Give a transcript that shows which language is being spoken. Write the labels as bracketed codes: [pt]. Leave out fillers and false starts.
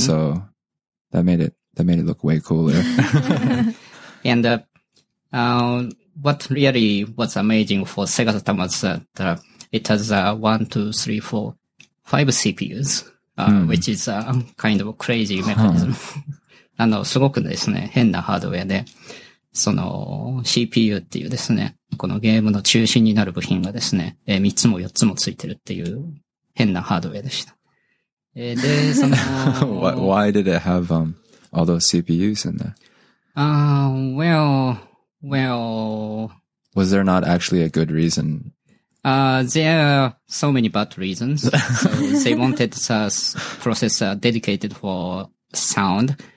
[en] So that made it look way cooler. And, what really was amazing for Sega Saturn was that it has 1, 2, 3, 4, 5 CPUs, which is a kind of a crazy mechanism. [ja] あの、すごくですね、変なハードウェアで、その CPU っていうですね、このゲームの中心になる部品がですね、3つも4つもついてるっていう変なハードウェアでした。で、その、 [en] why did it have, all those CPUs in there? Was there not actually a good reason? There are so many bad reasons. So they wanted a processor dedicated for sound.